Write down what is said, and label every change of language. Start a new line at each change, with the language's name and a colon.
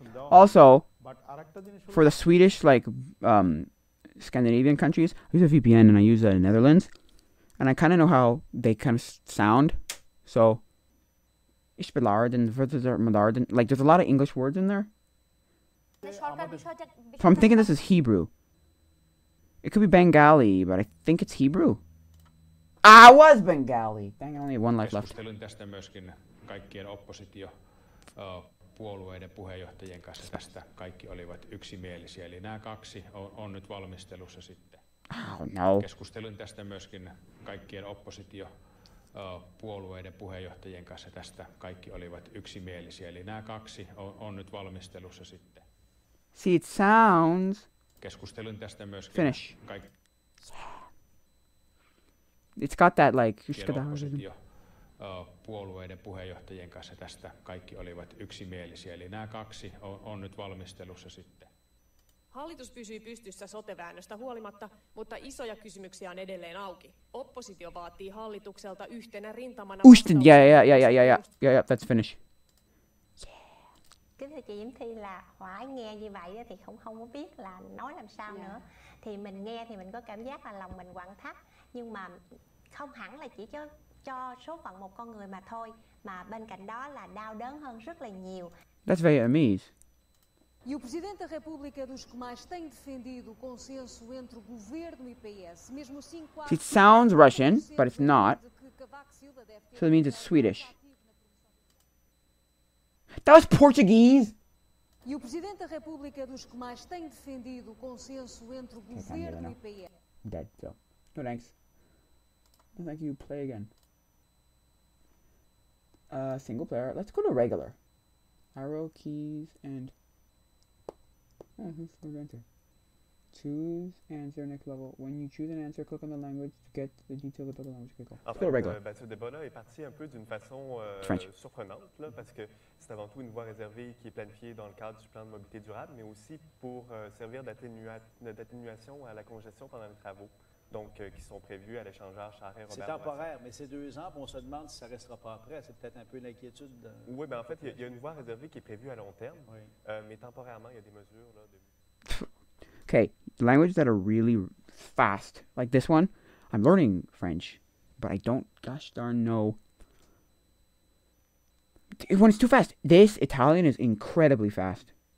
English: Also, for the Swedish, like, Scandinavian countries, I use a VPN and I use the Netherlands, and I kind of know how they kind of sound, so, like, there's a lot of English words in there, so I'm thinking this is Hebrew. It could be Bengali, but I think it's Hebrew. I was Bengali. Dang, only one life left.
Finnish: Keskustelin tästä myöskin kaikkien oppositio puolueiden puheenjohtajien kanssa tästä. Kaikki olivat yksimielisiä. Eli nämä kaksi on nyt valmistelussa sitten.
English: Oh, no.
Finnish: Keskustelin tästä myöskin kaikkien oppositio puolueiden puheenjohtajien kanssa tästä. Kaikki olivat yksimielisiä. Eli nämä kaksi on nyt valmistelussa sitten.
English: See, it sounds.
Finnish: Keskustelin tästä myöskin.
English: Finish. It's got that like oppositio
Finnish: puolueiden puheenjohtajien kanssa tästä kaikki olivat yksimielisiä. Eli nämä kaksi on nyt valmistelussa sitten. Hallitus pysyy pystyssä sote-väännöstä huolimatta, mutta isoja kysymyksiä on edelleen auki. Oppositio vaatii hallitukselta yhtenä rintamana...
English: Ustin, yeah, that's finish.
Vietnamese: Cái thời điểm thì là hóa nghe như vậy thì không biết là nói làm sao nữa. Thì mình nghe thì mình có cảm giác là lòng mình quặn thắt. Nhưng mà không hẳn là chỉ cho số phận một con người mà thôi, mà bên cạnh đó là đau đớn hơn rất là nhiều.
English: That's very amazing.
Portuguese: E o Presidente da República é dos que mais tem defendido o consenso entre o governo e PS, mesmo assim...
English: It sounds Russian, but it's not. So that means it's Swedish. That was Portuguese!
Portuguese: E o Presidente da República é dos que mais tem defendido o consenso entre o governo e PS.
English: Dead, so. No thanks. Thank you, play again. Single player. Let's go to regular. Arrow keys and... Oh, who's going to enter? Choose answer next level. When you choose an answer, click on the language to get the details about the language. Okay, cool.
French: En fait, ce débat-là est parti un peu d'une façon surprenante, là, parce que c'est avant tout une voie réservée qui est planifiée dans le cadre du plan de mobilité durable, mais aussi pour servir d'atténuation à la congestion pendant les travaux, donc qui sont prévus à l'échangeur Charest-Robert. C'est temporaire, mais c'est 2 ans, on se demande si ça ne restera pas après. C'est peut-être un peu une inquiétude. Oui, bien, en fait, il y a une voie réservée qui est prévue à long terme, mais temporairement, il y a des mesures, là, de...
English: Okay, languages that are really fast, like this one. I'm learning French, but I don't gosh darn know. When it's too fast, this Italian is incredibly fast.